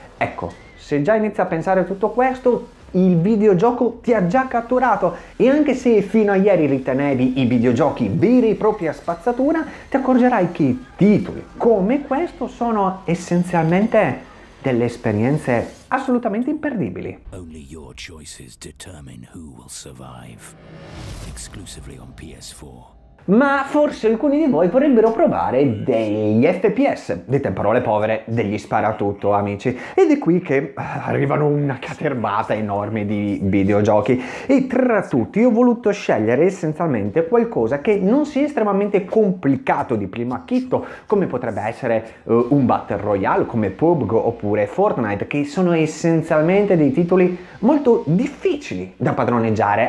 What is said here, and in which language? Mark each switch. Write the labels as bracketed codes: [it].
[it] Ecco, se già inizi a pensare tutto questo, il videogioco ti ha già catturato, e anche se fino a ieri ritenevi i videogiochi veri e propri a spazzatura, ti accorgerai che titoli come questo sono essenzialmente delle esperienze assolutamente imperdibili. [en] Only your choices determine who will survive. Exclusively on PS4. [it] Ma forse alcuni di voi vorrebbero provare degli FPS, dette in parole povere, degli sparatutto, amici. Ed è qui che arrivano una caterbata enorme di videogiochi. E tra tutti ho voluto scegliere essenzialmente qualcosa che non sia estremamente complicato di primo acchito, come potrebbe essere un Battle Royale, come PUBG oppure Fortnite, che sono essenzialmente dei titoli molto difficili da padroneggiare.